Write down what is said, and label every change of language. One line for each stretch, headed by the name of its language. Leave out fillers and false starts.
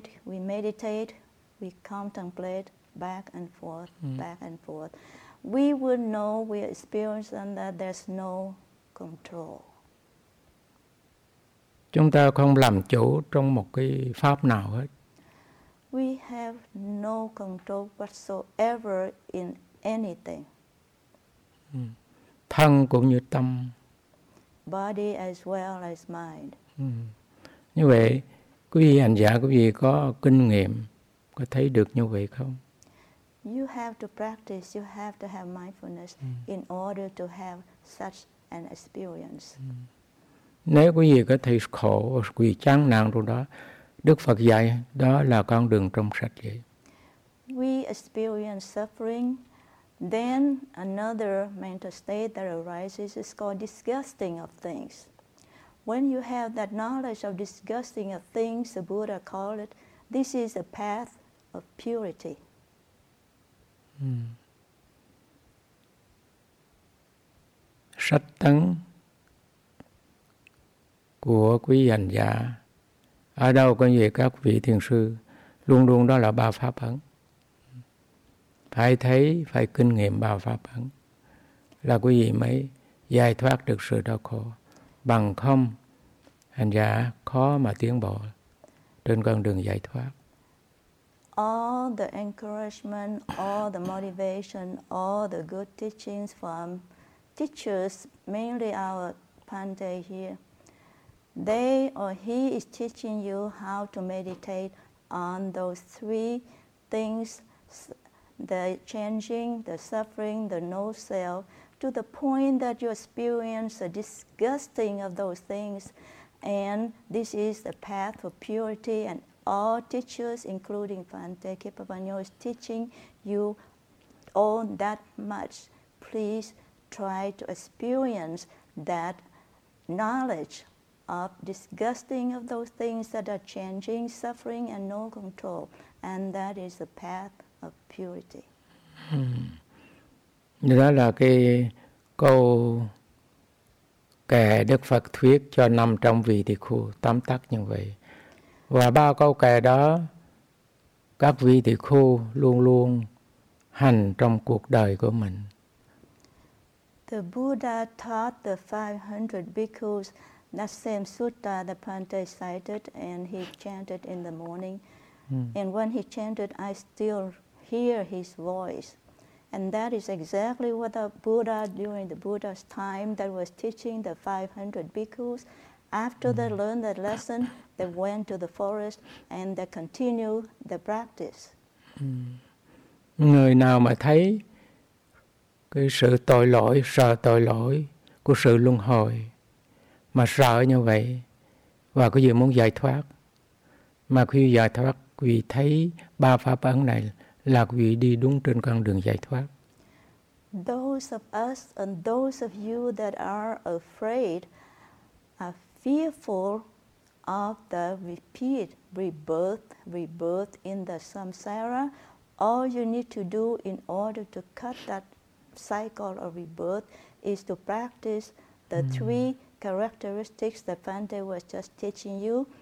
English: We meditate, we contemplate, back and forth, back and forth. We would know, we experience and that there's no control.
Vietnamese: Chúng ta không làm chủ trong một cái pháp nào hết.
English: We have no control whatsoever in anything.
Vietnamese: Thân cũng như tâm.
English: Body as well as mind.
Vietnamese: Như vậy, quý vị hành giả, quý vị có kinh nghiệm, có thấy được như vậy không?
English: You have to practice, you have to have mindfulness in order to have such an experience.
Vietnamese: Nếu quý vị có thấy khổ, quý vị chán nản trong đó, Đức Phật dạy đó là con đường trong sạch vậy.
English: We experience suffering, then another mental state that arises is called disgusting of things. When you have that knowledge of disgusting of things, the Buddha called it, this is a path of purity.
Vietnamese: Sắc tấn của quý hành giả ở đâu có gì các vị thiền sư luôn luôn đó là ba pháp ấn. Phải thấy, phải kinh nghiệm ba pháp ấn là quý vị mới giải thoát được sự đau khổ. Bằng không, hành giả khó mà tiến bộ trên con đường giải thoát.
English: All the encouragement, all the motivation, all the good teachings from teachers, mainly our Bhante here, they or he is teaching you how to meditate on those three things, the changing, the suffering, the no self, to the point that you experience the disgusting of those things. And this is the path for purity, and all teachers, including Bhante, Khippapanno, is teaching you all that much. Please try to experience that knowledge of disgusting of those things that are changing, suffering, and no control. And that is the path of purity.
Vietnamese: Đó là cái câu kệ Đức Phật thuyết cho 500 vị tỳ khu, tóm tắt như vậy. Và ba câu kệ đó, các vị tỳ khu luôn luôn hành trong cuộc đời của mình.
English: The Buddha taught the 500 bhikkhus that same sutta that Bhante cited, and he chanted in the morning. And when he chanted, I still hear his voice. And that is exactly what the Buddha, during the Buddha's time, that was teaching the 500 bhikkhus. After they learned that lesson, they went to the forest and they continued the practice.
Vietnamese: Người nào mà thấy cái sự tội lỗi, sợ tội lỗi của sự luân hồi, mà sợ như vậy, và quý vị muốn giải thoát, mà khi giải thoát, quý vị thấy ba pháp ấn này là quý vị đi đúng trên con đường giải thoát.
English: Those of us and those of you that are afraid, are fearful of the repeat rebirth in the samsara, all you need to do in order to cut that cycle of rebirth is to practice the three characteristics that Bhante was just teaching you.